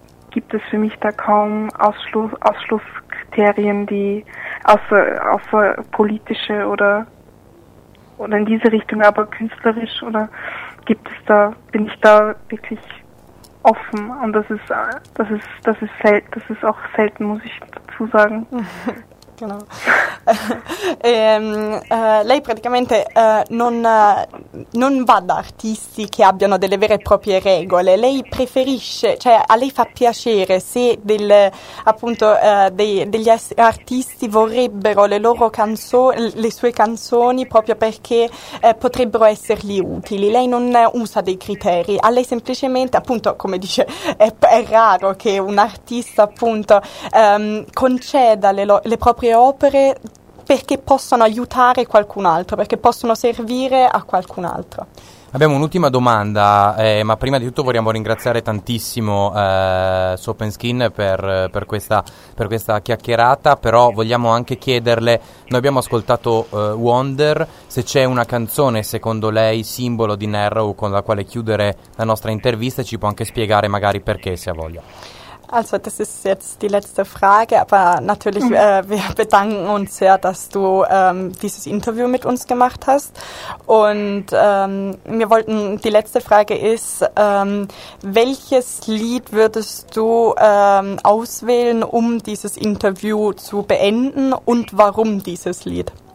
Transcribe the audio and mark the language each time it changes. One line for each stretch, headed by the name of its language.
German: gibt es für mich da kaum Ausschlusskriterien, die außer politische oder in diese Richtung, aber künstlerisch oder gibt es da, bin ich da wirklich offen und das ist auch selten, muss ich dazu sagen. Genau.
Italian: Lei praticamente non va da artisti che abbiano delle vere e proprie regole. Lei preferisce, cioè a lei fa piacere se degli artisti vorrebbero le loro canzoni, le sue canzoni proprio perché potrebbero essergli utili. Lei non usa dei criteri, a lei semplicemente, appunto, come dice, è raro che un artista appunto conceda le proprie opere perché possono aiutare qualcun altro, perché possono servire a qualcun altro. Abbiamo un'ultima domanda, ma prima di tutto vorremmo ringraziare tantissimo Soap & Skin per questa chiacchierata, però vogliamo anche chiederle, noi abbiamo ascoltato Wonder, se c'è una canzone secondo lei simbolo di Narrow con la quale chiudere la nostra intervista, ci può anche spiegare magari perché, se ha voglia.
German: Also das ist jetzt die letzte Frage, aber natürlich, wir bedanken uns sehr, dass du dieses Interview mit uns gemacht hast. Und die letzte Frage ist, welches Lied würdest du auswählen, um dieses Interview zu beenden und warum dieses Lied?